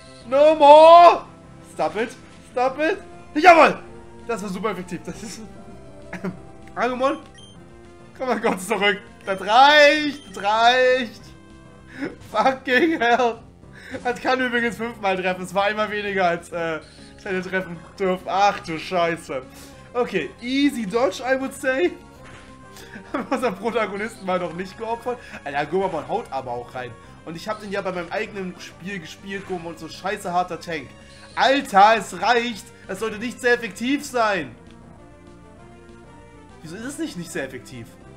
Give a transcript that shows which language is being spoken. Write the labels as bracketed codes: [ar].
[en] No more. Stop it. Stop it. [de] Jawohl. Das war super effektiv. Das ist... Angemon. Komm mal kurz zurück. Das reicht. Das reicht. [en] Fucking hell. [de] Das kann übrigens 5-mal treffen, es war einmal weniger als seine treffen dürfen. Ach du Scheiße. [en] Okay, easy dodge, I would say. [de] Haben unser Protagonisten mal noch nicht geopfert. Alter, Gomamon haut aber auch rein. Und ich habe den ja bei meinem eigenen Spiel gespielt, Gomamon, und so scheiße harter Tank. Alter, es reicht. Das sollte nicht sehr effektiv sein. Wieso ist es nicht sehr effektiv?